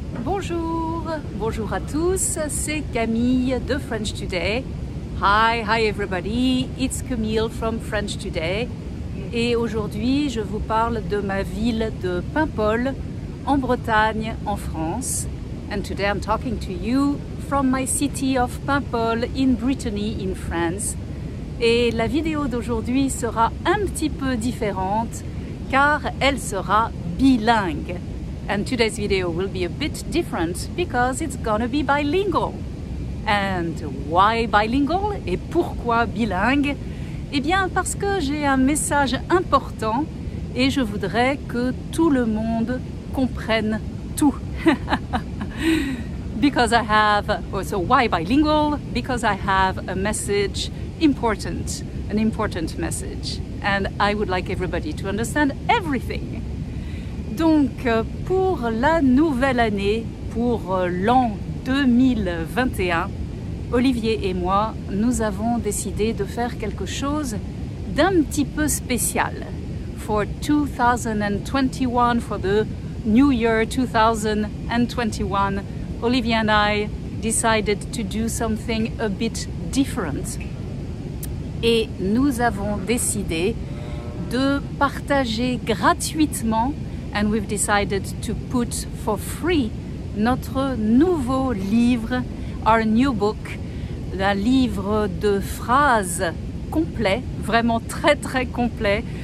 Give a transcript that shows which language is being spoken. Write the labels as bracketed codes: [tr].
[fr] Bonjour, bonjour à tous, c'est Camille de French Today. [en] Hi, hi everybody, it's Camille from French Today. [fr] Et aujourd'hui, je vous parle de ma ville de Paimpol, en Bretagne, en France. [en] And today I'm talking to you from my city of Paimpol in Brittany, in France. [fr] Et la vidéo d'aujourd'hui sera un petit peu différente, car elle sera bilingue. [en] And today's video will be a bit different because it's gonna be bilingual. And why bilingual? [fr] Et pourquoi bilingue? Eh bien, parce que j'ai un message important et je voudrais que tout le monde comprenne tout. [en] Because I have... So why bilingual? Because I have a message important, an important message. And I would like everybody to understand everything. [fr] Donc, pour la nouvelle année, pour l'an 2021, Olivier et moi, nous avons décidé de faire quelque chose d'un petit peu spécial. [en] For 2021, for the new year 2021, Olivier and I decided to do something a bit different. [fr] Et nous avons décidé de partager gratuitement, [en] and we've decided to put for free, [fr] notre nouveau livre, [en] our new book, [fr] un livre de phrases complet, vraiment très très complet.